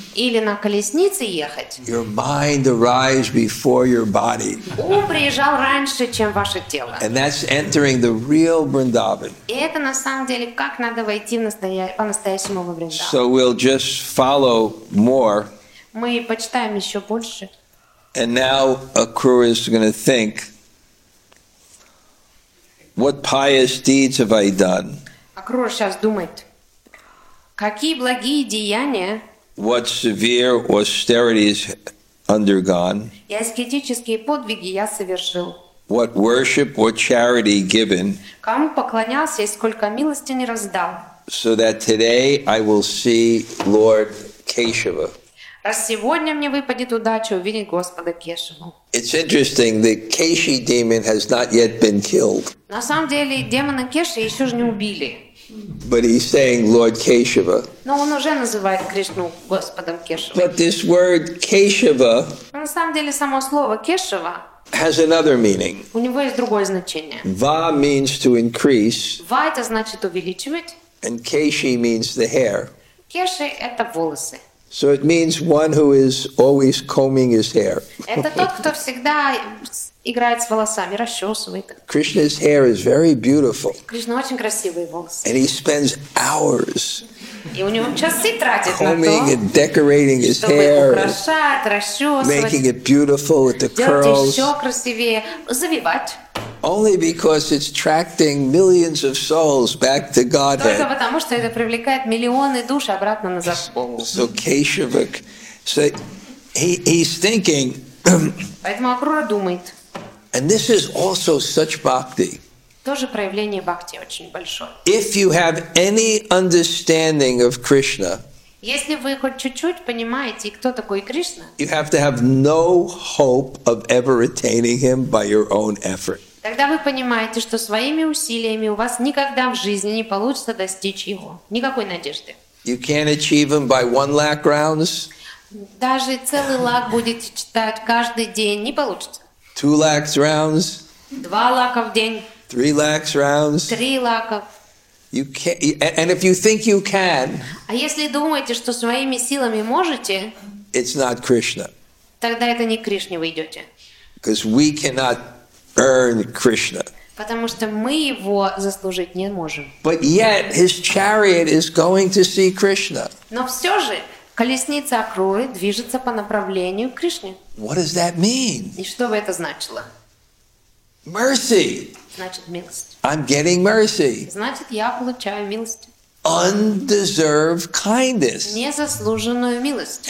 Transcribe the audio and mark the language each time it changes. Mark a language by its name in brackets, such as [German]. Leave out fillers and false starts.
[Russian] или на колеснице ехать, [English] your mind arrives before your body. [Russian] Ум приезжал раньше, чем ваше тело. [English] And that's entering the real Vrindavan. [Russian] И это на самом деле, как надо войти по-настоящему во Вриндаван. [English] So we'll just follow more. [Russian] Мы почитаем еще больше. [English] And now Akrura is going to think, what pious deeds have I done? [Russian] Акрура сейчас думает, какие благие деяния? [English] What severe austerities undergone? [Russian] Я аскетические подвиги я совершил. [English] What worship or charity given? [Russian] Кому поклонялся и сколько милости не раздал? [English] So that today I will see Lord Keshava. [Russian] Раз сегодня мне выпадет удача увидеть Господа Кешаву. [English] It's interesting, the Keshi demon has not yet been killed. [Russian] На самом деле демона Кеши еще же не убили. [English] But he's saying Lord Keshava. [Russian] Но он уже называет Кришну Господом Кешавой. [English] But this word Keshava. [Russian] Но на самом деле само слово Кешава. [English] Has another meaning. [Russian] У него есть другое значение. [English] Va means to increase. [Russian] Va это значит увеличивать. [English] And Keshi means the hair. [Russian] Кеши это волосы. [English] So it means one who is always combing his hair. [Russian] Это тот, кто всегда играет с волосами, расчесывает. [English] Krishna's hair is very beautiful. [Russian] Кришна очень красивые волосы. [English] And he spends hours. [Russian] И у него часы тратит на то, [English] combing and decorating his hair, [Russian] украшать, расчесывать, [English] making it beautiful with the curls. [Russian] Делать еще красивее, завивать. [English] Only because it's attracting millions of souls back to Godhead. [Russian] Только потому, что это привлекает миллионы душ обратно на Господа. [English] So Keshava, so he's thinking. [Russian] Поэтому Акрура думает. [English] And this is also such bhakti. [Russian] Тоже проявление бхакти очень большое. [English] If you have any understanding of Krishna. [Russian] Если вы хоть чуть-чуть понимаете, кто такой Кришна. [English] You have to have no hope of ever attaining him by your own effort. [Russian] Тогда вы понимаете, что своими усилиями у вас никогда в жизни не получится достичь его. Никакой надежды. [English] You can't achieve him by one lakh rounds. [Russian] Даже целый лак будете читать каждый день, не получится. [English] Two lakhs rounds. [Russian] Два лака в день. [English] Three lakhs rounds. [Russian] Три лака. [English] You can't, and if you think you can. [Russian] А если думаете, что своими силами можете. [English] It's not Krishna. [Russian] Тогда это не к Кришне вы идете. [English] Because we cannot earn Krishna. [Russian] Потому что мы его заслужить не можем. [English] But yet his chariot is going to see Krishna. [Russian] Но все же. Колесница Акруры движется по направлению к Кришне. [English] What does that mean? [Russian] И что бы это значило? [English] Mercy. [Russian] Значит, милость. [English] I'm getting mercy. [Russian] Значит, я получаю милость. [English] Undeserved kindness. [Russian] Незаслуженную милость.